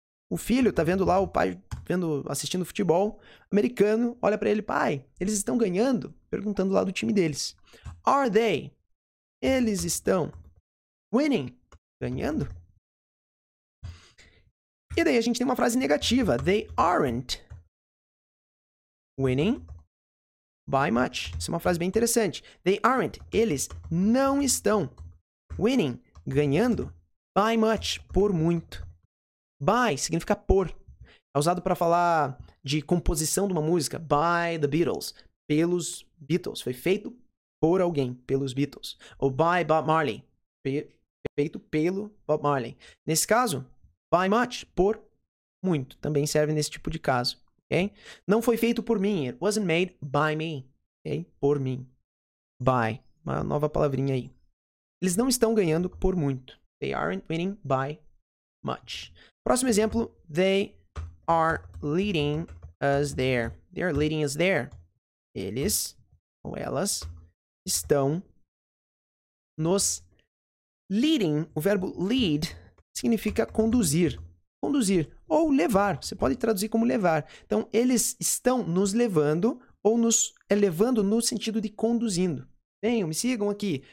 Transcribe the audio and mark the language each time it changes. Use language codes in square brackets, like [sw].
[pt] O filho tá vendo lá o pai vendo, assistindo futebol americano. Olha pra ele. Pai, eles estão ganhando? Perguntando lá do time deles. [en] Are they? [pt] Eles estão winning? Ganhando? E daí a gente tem uma frase negativa. [en] They aren't winning by much. [pt] Isso é uma frase bem interessante. [en] They aren't. [pt] Eles não estão winning. Ganhando. [en] By much. [pt] Por muito. By significa por. É usado para falar de composição de uma música. [en] By the Beatles. [pt] Pelos Beatles. Foi feito por alguém. Pelos Beatles. Ou [en] by Bob Marley. [pt] Feito pelo Bob Marley. Nesse caso, [en] by much. [pt] Por muito. Também serve nesse tipo de caso. [en] Okay? [pt] Não foi feito por mim. [en] It wasn't made by me. Okay? [pt] Por mim. [en] By. [pt] Uma nova palavrinha aí. Eles não estão ganhando por muito. [en] They aren't winning by much. [pt] Próximo exemplo. [en] They are leading us there. They are leading us there. [pt] Eles ou elas estão nos leading. O verbo lead significa conduzir. Conduzir. Ou levar. Você pode traduzir como levar. Então, eles estão nos levando ou nos elevando no sentido de conduzindo. Venham, me sigam aqui.